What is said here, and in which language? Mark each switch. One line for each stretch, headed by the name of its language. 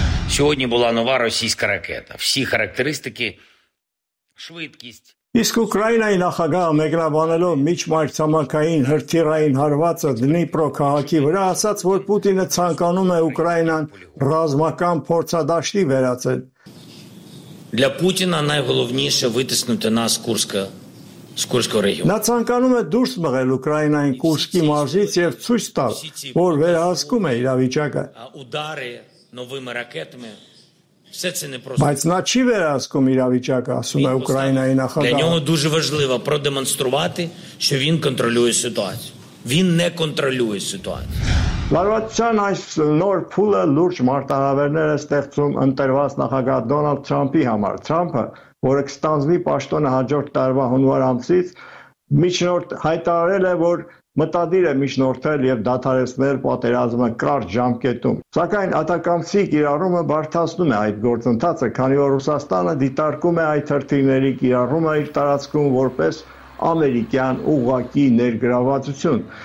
Ukrainian: Сьогодні була нова російська ракета. Всі характеристики: швидкість.
Armenian: Իսկ Ուկրաինայի նախագահը, մեկնաբանելով միջմարտցամաքային հրթիռային հարվածը Դնիպրո քաղաքի վրա, ասաց, որ Պուտինը ցանկանում է Ուկրաինան ռազմական փորձադաշտի վերածել։
Ukrainian: Для Путина найголовніше витиснути нас з Курського регіону.
Armenian: Նա ցանկանում է դուրս մղել Ուկրաինային Կուրսկի մարզից և ցույց տալ, որ վերահսկում է իրավիճակը։ Ուդարі новими ракетами. Բայց նա չի վերահսկում իրավիճակը, ասում է Ուկրաինայի նախագահը։
Ukrainian: Для нього дуже важливо продемонструвати, що він контролює ситуацію. Він не контролює ситуацію.
Armenian: Լարվածության այս նոր փուլը լուրջ մարտահրավերներ է ստեղծում ընտրված նախագահ Դոնալդ Թրամփի համար։ Թրամփը, որը կստանձնի պաշտոնը հաջորդ տարվա հունվար ամսից, միջնորդ հայտարարել է, որ մտադիր է միջնորդել և դադարեցնել պատերազմը կարճ ժամկետում։ Սակայն ատակամցի կիրառումը բարդացնում է այդ գործընթացը, քանի որ Ռուսաստանը դիտարկում է այդ հրթիռների կիրառումը իր տարածքում որպես ամերիկյան ուղղակի ներգրավվածություն։